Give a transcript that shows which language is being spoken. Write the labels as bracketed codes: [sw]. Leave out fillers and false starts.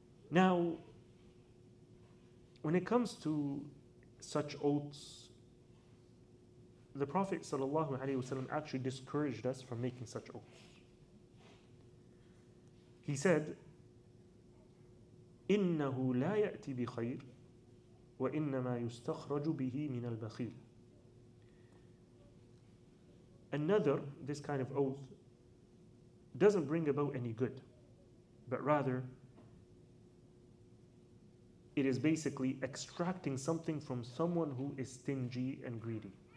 [en] Now, when it comes to such oaths, the Prophet ﷺ actually discouraged us from making such oaths. He said, [ar] إنه لا يأتي بخير وإنما يستخرج به من البخيل. [en] Another, this kind of oath doesn't bring about any good, but rather it is basically extracting something from someone who is stingy and greedy.